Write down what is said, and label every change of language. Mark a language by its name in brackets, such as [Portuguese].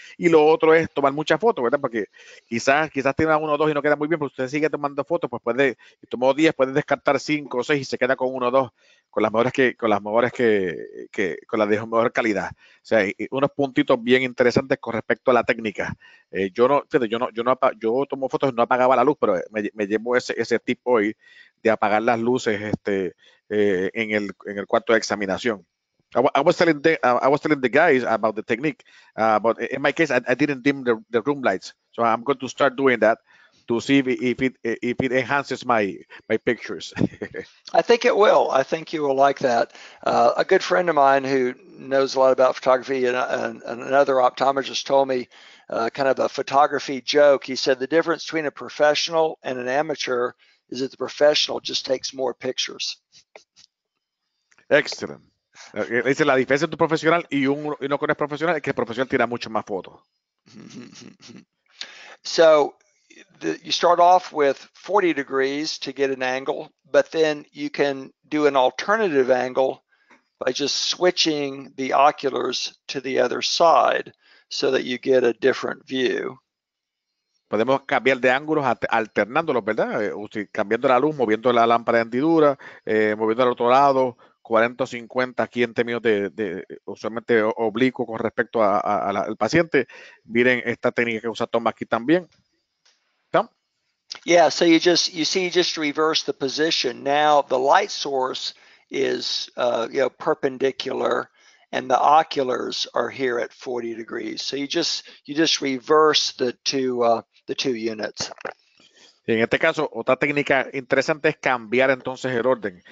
[Spanish] Y lo otro es tomar muchas fotos, ¿verdad? Porque quizás tenga uno o dos y no queda muy bien, pero usted sigue tomando fotos, pues puede, y tomó 10, puede descartar 5 o 6 y se queda con uno o dos, con la de mejor calidad. O sea, unos puntitos bien interesantes con respecto a la técnica. Yo no, fíjate, yo tomo fotos y no apagaba la luz, pero me llevo ese tip hoy de apagar las luces en el cuarto de examinación. [English] I was telling the guys about the technique, but in my case, I didn't dim the room lights, so I'm going to start doing that to see if it enhances my pictures. I think it will. I think you will like that. A good friend of mine who knows a lot about photography and another optometrist told me kind of a photography joke. He said the difference between a professional and an amateur is that the professional just takes more pictures. [Spanish] Excelente. Dice la diferencia entre un profesional y uno que no es profesional es que el profesional tira mucho más fotos. [English] So, you start off with 40 degrees to get an angle, but then you can do an alternative angle by just switching the oculars to the other side so that you get a different view. [Spanish] Podemos cambiar de ángulos alternándolos, ¿verdad? Usted, cambiando la luz, moviendo la lámpara de hendidura, moviendo al otro lado. 40 o 50 aquí en términos de usualmente oblicuo con respecto al paciente. Miren esta técnica que usa Tom aquí también. [English] Yeah, so you just reverse the position. Now the light source is perpendicular, and the oculars are here at 40 degrees. So you just reverse the two units. [Spanish] En este caso, otra técnica interesante es cambiar entonces el orden.